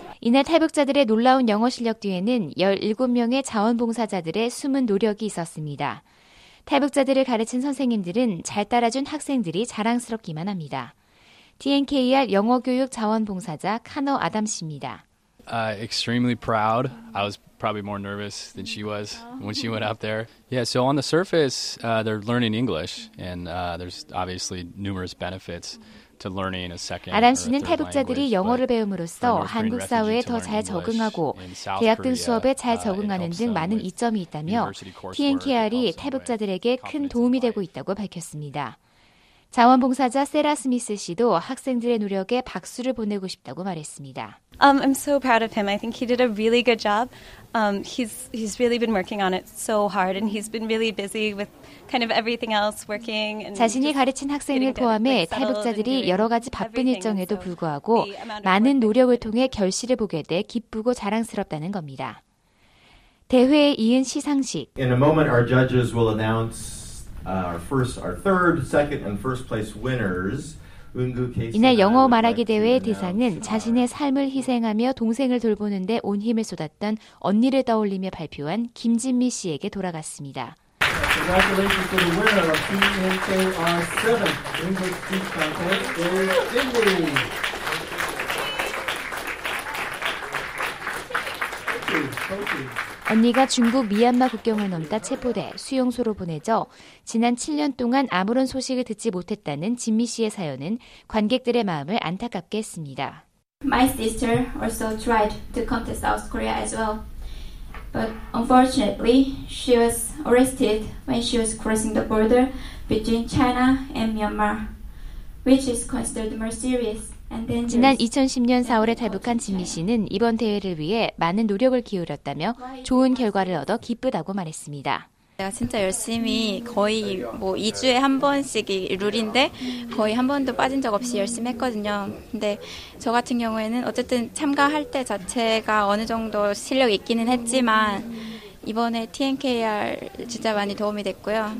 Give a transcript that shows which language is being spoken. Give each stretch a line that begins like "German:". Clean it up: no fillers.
Korean: 이날 탈북자들의 놀라운 영어 실력 뒤에는 17명의 자원봉사자들의 숨은 노력이 있었습니다. 탈북자들을 가르친 선생님들은 잘 따라준 학생들이 자랑스럽기만 합니다. TNKR 영어 교육 자원봉사자 카노 아담 씨입니다.
English: Extremely proud. I was probably more nervous than she was when she went up there. Yeah, so on the surface, they're learning English, and there's obviously numerous benefits.
Korean: 아담 씨는 탈북자들이 영어를 배움으로써 한국 사회에 더 잘 적응하고 대학 등 수업에 잘 적응하는 등 많은 이점이 있다며 TNKR이 탈북자들에게 큰 도움이 되고 있다고 밝혔습니다. 자원봉사자 세라 스미스 씨도 학생들의 노력에 박수를 보내고 싶다고 말했습니다.
English: I'm so proud of him. I think he did a really good job. He's really been working on it so hard and he's been really busy with kind of everything else working and
Korean: 자신이 가르친 학생을 포함해 탈북자들이 여러 가지 바쁜 일정에도 불구하고 많은 노력을 통해 결실을 보게 돼 기쁘고 자랑스럽다는 겁니다. 대회의 이은 시상식.
English: In a moment our judges will announce our third, second, and first place winners.
Korean: 이날 영어 말하기 대회의 대상은 자신의 삶을 희생하며 동생을 돌보는 데 온 힘을 쏟았던 언니를 떠올리며 발표한 김진미 씨에게 돌아갔습니다.
English: Congratulations to the winner of TNKR 7th English Speech Contest, Emily. Thank you.
Korean: 언니가 중국 미얀마 국경을 넘다 체포돼 수용소로 보내져 지난 7년 동안 아무런 소식을 듣지 못했다는 진미 씨의 사연은 관객들의 마음을 안타깝게 했습니다.
English: My sister also tried to come to South Korea as well. But unfortunately, she was arrested when she was crossing the border between China and Myanmar, which is considered more serious.
Korean: 지난 2010년 4월에 탈북한 진미 씨는 이번 대회를 위해 많은 노력을 기울였다며 좋은 결과를 얻어 기쁘다고 말했습니다. 내가 진짜 열심히 거의 뭐 2주에 한 번씩이 룰인데 거의 한 번도 빠진 적 없이 열심히 했거든요. 근데 저 같은 경우에는 어쨌든 참가할 때 자체가 어느 정도 실력이 있기는 했지만 이번에 TNKR 진짜 많이 도움이 됐고요.